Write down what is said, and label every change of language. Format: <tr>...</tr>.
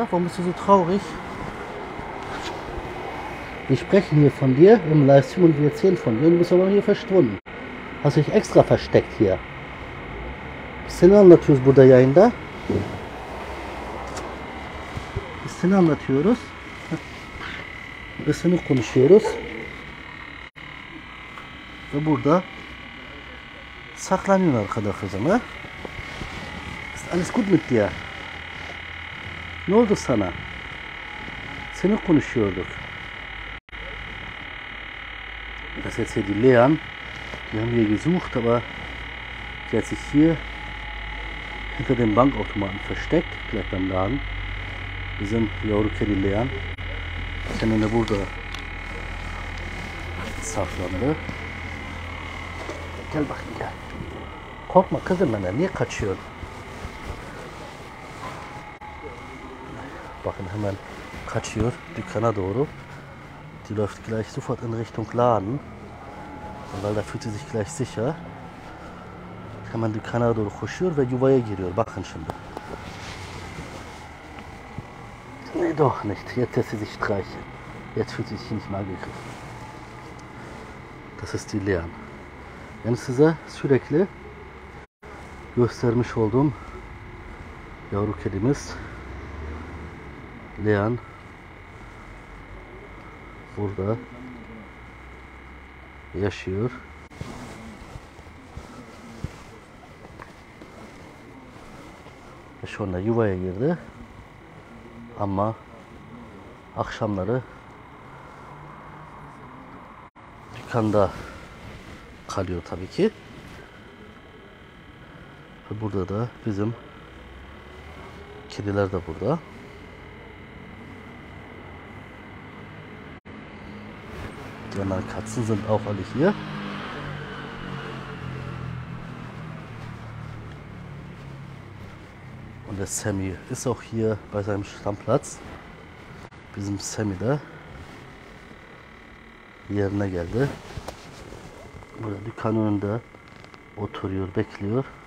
<de>Warum bist du so traurig? Wir sprechen hier von dir im Livestream und wir erzählen von dir. Du bist aber hier verschwunden. Hast dich extra versteckt hier.</de> <tr>Sen anlatıyoruz burada yayında. Biz seni anlatıyoruz. Ve seni konuşuyoruz. Ve burada saklanıyor arkada kızım.</tr> <de>Ist alles gut mit dir?</de> <tr>Ne oldu sana? Seni konuşuyorduk.</tr> <de>Das ist jetzt hier die Leon. Die haben wir gesucht, aber sie hat sich hier hinter dem Bankautomaten versteckt, gleich beim Laden. Wir sind</de> <tr>Yavru Kedi</tr> <de>Leon.</de> <tr>Kendini burada saklandı. Gel bakayım gel. Korkma kızım bana, niye kaçıyorsun? Bakın hemen kaçıyor dükkana doğru.</tr> <de>Die läuft gleich sofort in Richtung Laden. Weil da fühlt sie sich gleich sicher.</de> <tr>Hemen dükkana doğru koşuyor ve yuvaya giriyor. Bakın şimdi.</tr> <de>Ne doch nicht. Jetzt lässt sie sich streichen. Jetzt fühlt sie sich nicht mal gegriffen. Das ist die Leon.</de> <tr>Yani size sürekli göstermiş olduğum yavru kedimiz Leon burada yaşıyor. Şu anda yuvaya girdi. Ama akşamları dükkanda kalıyor tabii ki. Ve burada da bizim kediler de burada.</tr> <de>Die anderen Katzen sind auch alle hier. Und der Sammy ist auch hier bei seinem Stammplatz.</de> <tr>Bizim Sammy de yerine geldi. Burada dükkanın önünde oturuyor, bekliyor.</tr>